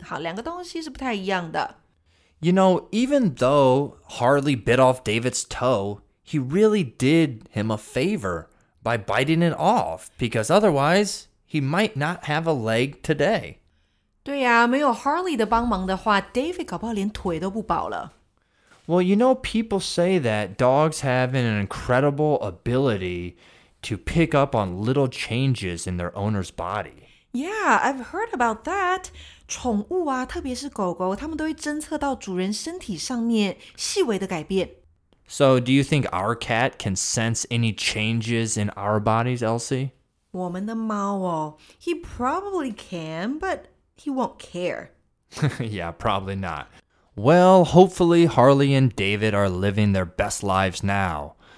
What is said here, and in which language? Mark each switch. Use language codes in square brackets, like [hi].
[zh] 好两个东西是不太一样的。 [en] You know, even though Harley bit off David's toe, he really did him a favor by biting it off, because otherwise, he might not have a leg today. [zh] 对呀，没有 Harley 的帮忙的话 ，David 搞不好连腿都不保了。 [en] Well, you know, people say that dogs have an incredible ability to pick up on little changes in their owner's body. Yeah, I've heard about that. [zh] 宠物啊，特别是狗狗，它们都会侦测到主人身体上面细微的改变。 [en] So, do you think our cat can sense any changes in our bodies, Elsie? [zh] 我们的猫哦， [en] he probably can, but he won't care. Yeah, probably not. Well, hopefully Harley and David are living their best lives now.